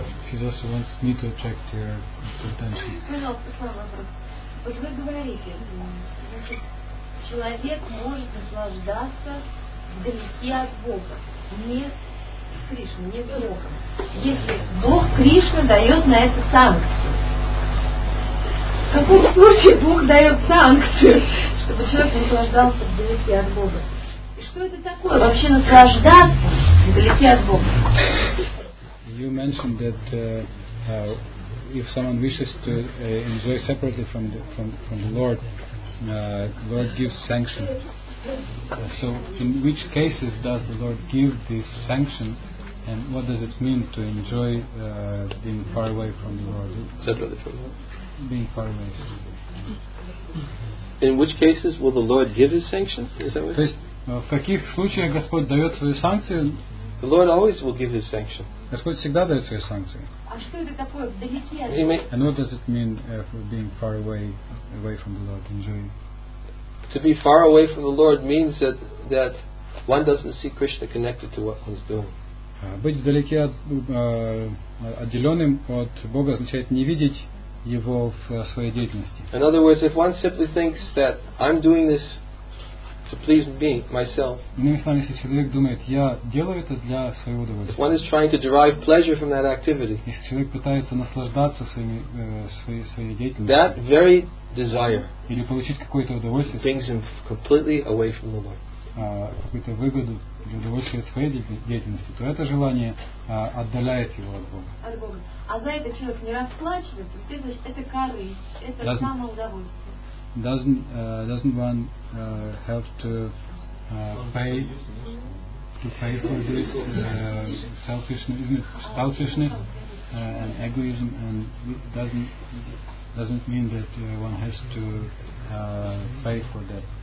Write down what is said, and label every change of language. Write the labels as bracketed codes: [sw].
[en] She just wants me to attract your attention. [ru] Пожалуйста, вопрос. Вот вы говорите, значит, человек может наслаждаться вдалеке от Бога, не Кришна, не Бога. Если Бог Кришна дает на это санкцию. В каком случае Бог дает санкцию, чтобы человек наслаждался вдалеке от Бога? И что это такое? Вообще наслаждаться вдалеке от Бога? [en] You mentioned that if someone wishes to enjoy separately from the Lord, Lord gives sanction. So in which cases does the Lord give this sanction? And what does it mean to enjoy being far away from the Lord? Separately from the Lord. Being far away. In which cases will the Lord give His sanction? Is that what? [ru] То есть в каких случаях Господь дает свою санкцию? [en] The Lord always will give His sanction. [ru] Господь всегда дает свою санкцию. А что это такое вдалеке от Бога? [en] And what does it mean for being far away from the Lord, enjoying? To be far away from the Lord means that one doesn't see Krishna connected to what one's doing. [ru] Быть вдалеке от, отделенным от Бога означает не видеть Его в своей деятельности. [en] In other words, if one simply thinks that I'm doing this to please me, myself. [ru] Иными словами, если человек думает, я делаю это для своего удовольствия. [en] If one is trying to derive pleasure from that activity. [ru] Если человек пытается наслаждаться своими, своей деятельностью. [en] That very desire. [ru] Или получить какое-то удовольствие. [en] Brings him completely away from the Lord. [ru] Какую-то выгоду для удовольствия от своей деятельности, то это желание отдаляет его от Бога. А за это человек не расплачивается, это корысть, это самоудовольствие. [en] Doesn't one have to pay for this selfishness and egoism, and doesn't mean that one has to pay for that?